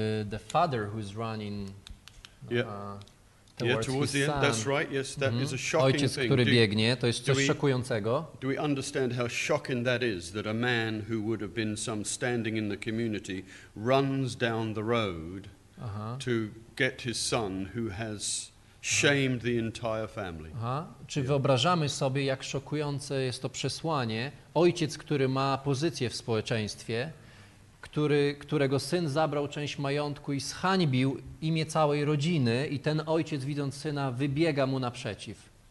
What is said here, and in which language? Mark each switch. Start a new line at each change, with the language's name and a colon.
English: The father who's running. Towards the end. That's right. Yes, that is a shocking
Polish: ojciec,
English: thing.
Polish: Ojciec, który biegnie, to jest coś szokującego.
English: Do we understand how shocking that is? That a man who would have been some standing in the community runs down the road to get his son who has. Shamed the entire family. Aha.
Polish: Czy wyobrażamy sobie, jak szokujące jest to przesłanie? Ojciec, który ma pozycję w społeczeństwie, którego syn zabrał część majątku i zhańbił imię całej rodziny, i ten ojciec, widząc syna, wybiega mu naprzeciw.